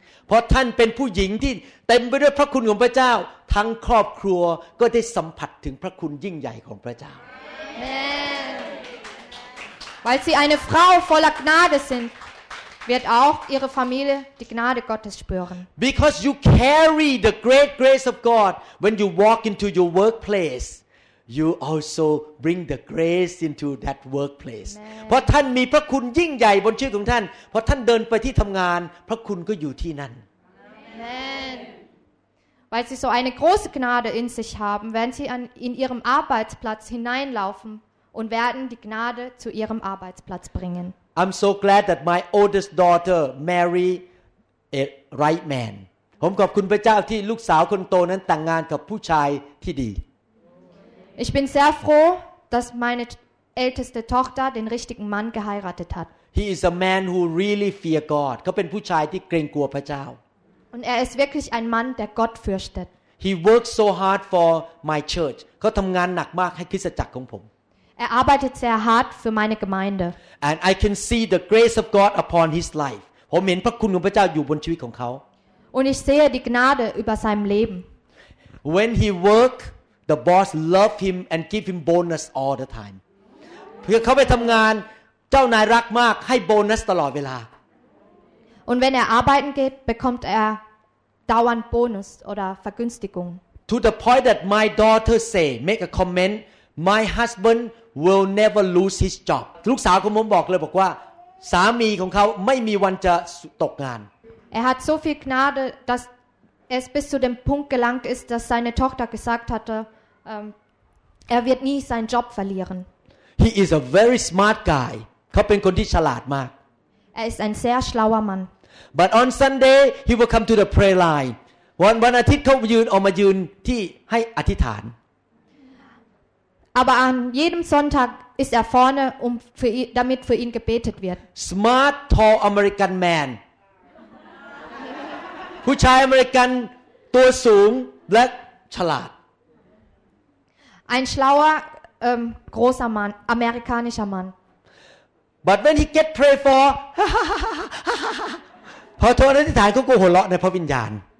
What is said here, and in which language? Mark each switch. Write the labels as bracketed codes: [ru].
[th] เพราะท่านเป็นผู้หญิงที่เต็มไปด้วยพระคุณของพระเจ้าทั้งครอบครัวก็ได้สัมผัสถึงพระคุณยิ่งใหญ่ของพระเจ้า [de] Amen.Weil sie eine Frau voller Gnade sind, wird auch ihre Familie die Gnade Gottes spüren. [en] Because you carry the great grace of God when you walk into your workplace, you also bring the grace into that workplace. [th] เพราะท่านมีพระคุณยิ่งใหญ่บนชีวิตของท่านเพราะท่านเดินไปที่ทำงานพระคุณก็อยู่ที่นั่น [en] Amen. [de] Weil sie so eine große Gnade in sich haben, wenn sie in ihrem Arbeitsplatz hineinlaufen und werden die Gnade zu ihrem Arbeitsplatz bringen. [en] I'm so glad that my oldest daughter married a right man. [th] ผมขอบคุณพระเจ้าที่ลูกสาวคนโตนั้นแต่งงานกับผู้ชายที่ดี [de] Ich bin sehr froh, dass meine älteste Tochter den richtigen Mann geheiratet hat. [en] He is a man who really fear God. [th] เขาเป็นผู้ชายที่เกรงกลัวพระเจ้า [de] Und er ist wirklich ein Mann, der Gott fürchtet. [en] He works so hard for my church. [th] เขาทำงานหนักมากให้คริสตจักรของผม [de] Er arbeitet sehr hart für meine Gemeinde. [en] And I can see the grace of God upon his life. [th] ผมเห็นพระคุณของพระเจ้าอยู่บนชีวิตของเขา [de] Und ich sehe die Gnade über seinem Leben. [en] When he work, the boss love him and give him bonus all the time. [th] เพื่อเขาไปทำงานเจ้านายรักมากให้โบนัสตลอดเวลา [de] Und wenn er arbeiten geht, bekommt er dauernd Bonus oder Vergünstigung. [en] To the point that my daughter say, make a comment, my husband. Will never lose his job. [th] ลูกสาวของผมบอกเลยบอกว่าสามีของเขาไม่มีวันจะตกงาน [de] Er hat so viel Gnade, dass es bis zu dem Punkt gelangt ist, dass seine Tochter gesagt hatte, er wird nie seinen Job verlieren. [en] He is a very smart guy. [th] เขาเป็นคนที่ฉลาดมาก [de] Er ist ein sehr schlauer Mann. [en] But on Sunday, he will come to the prayer line. [th] วันอาทิตย์เขายืนออกมายืนที่ให้อธิษฐาน [de] Aber an jedem Sonntag ist er vorne, damit für ihn gebetet wird. [en] Smart, tall American man. [th] ผู้ชายอเมริกันตัวสูงและฉลาด [de] Ein schlauer, großer Mann, amerikanischer Mann. [en] But when he get prayed for, [th] พอโทรอธิษฐานเขาก็หัวเราะในพระวิญญาณ